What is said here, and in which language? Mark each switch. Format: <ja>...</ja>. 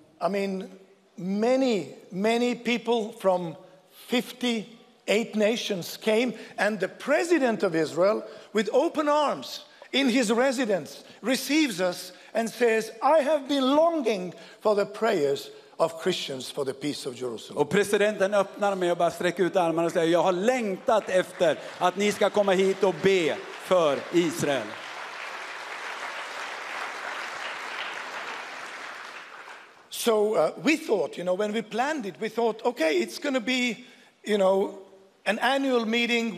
<en>I mean, many, many people from 58 nations came, and the president of Israel, with open arms in his residence, receives us and says, I have been longing for the prayers of Christians for the peace of Jerusalem.</en> <sv>Och presidenten öppnar mig och bara sträcker ut armarna och säger, jag har längtat efter att ni ska komma hit och be för Israel.</sv> <en>So we thought, you know, when we planned it, we thought, okay, it's going to be, you know, an annual meeting.</en>